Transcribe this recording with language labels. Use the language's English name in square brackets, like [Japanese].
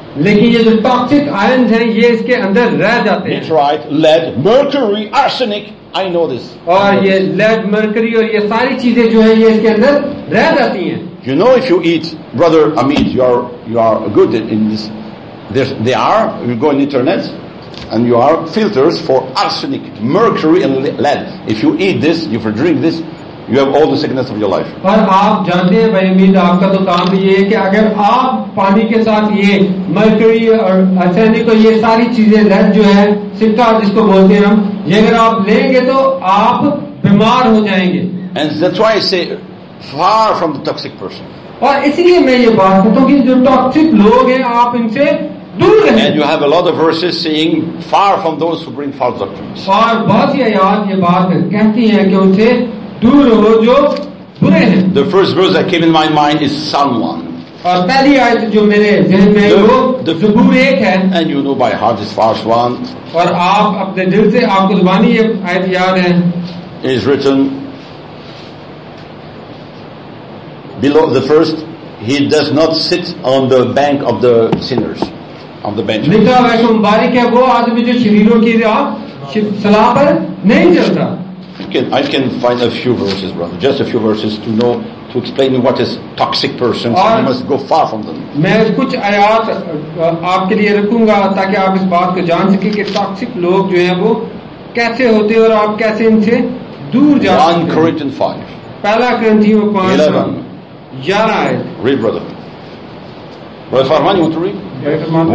[Hindi] लेकिन ये जो toxic ions हैं ये इसके अंदर रह जाते हैं. [English] Nitrite, lead, mercury, arsenic. I know this. [Hindi] और ये lead, mercury और ये सारी चीजें जो है ये इसके अंदर रह जाती हैं. [English] You know if you eat, brother Amit, you are good in this they are, you go on the internet and you are filters for arsenic, mercury and lead. If you eat this, if you drink this, you have all the sickness of your life. [Hindi] पर आप जानते हैं भाई मीर आपका तो काम भी ये है कि अगर आप पानी के साथ ये मर्करी और आर्सेनिक को ये सारी चीजें लेड जो है सिक्का जिसको बोलते हैं हम ये अगर आप लेंगे तो आप बीमार हो जाएंगे. [English] And that's why I say far from the toxic person. [Hindi] और इसलिए मैं ये बात कहता हूँ कि जो टॉक्सिक लोग हैं आप इनसे दूर रहें. [English] And you have a lot of verses saying far from those who bring false doctrines. [Hindi] और बहुत ही आयात ये बात कहती है कि उनसे दूर हो जो बुरे हैं. [English] The first verse that came in my mind is Psalm 1. [Hindi] और पहली आयत जो मेरे जहन में है वो ज़बूर 1 है. [English] And you know by heart this first one. [Hindi] और आप अपने दिल से आपको ज़बानी ये आयत याद है. [English] Is written below the first, he does not sit on the bank of the sinners, on the bench. [Hindi] लिखा है कि मुबारक है वो आदमी जो शरीरों की राह सलाह पर नहीं चलता. [English] I can find a few verses, brother. Just a few verses to know, to explain what is toxic persons. You must go far from them. [Hindi] मैं कुछ आयत आपके लिए रखूंगा ताकि आप इस बात को जान सकें कि toxic लोग जो हैं वो कैसे होते हैं और आप कैसे इनसे दूर जा सकते हैं. [English] 1 Corinthians 5. [Hindi] पहला कुरिन्थियों 5. [English] 11. [Hindi] 11 आयत. [English] Read, brother. Brother Farman, you want to read?